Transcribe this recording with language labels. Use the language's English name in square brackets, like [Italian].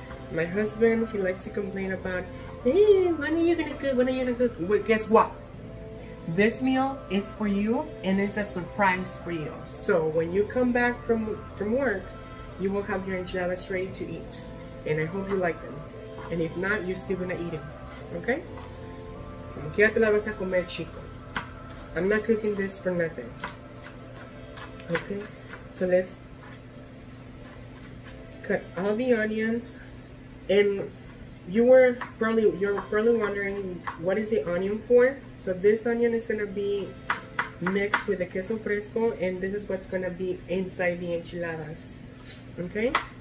[English] My husband, he likes to complain about, hey, when are you gonna cook, when are you gonna cook? Well, guess what? This meal is for you, and it's a surprise for you. So when you come back from work, you will have your enchiladas ready to eat. And I hope you like them. And if not, you're still gonna eat them, okay? [Spanish] Como quiera te la vas a comer, chico. [English] I'm not cooking this for nothing. Okay, so let's cut all the onions. And you're probably wondering, what is the onion for? So this onion is gonna be mixed with the queso fresco, and this is what's gonna be inside the enchiladas, okay?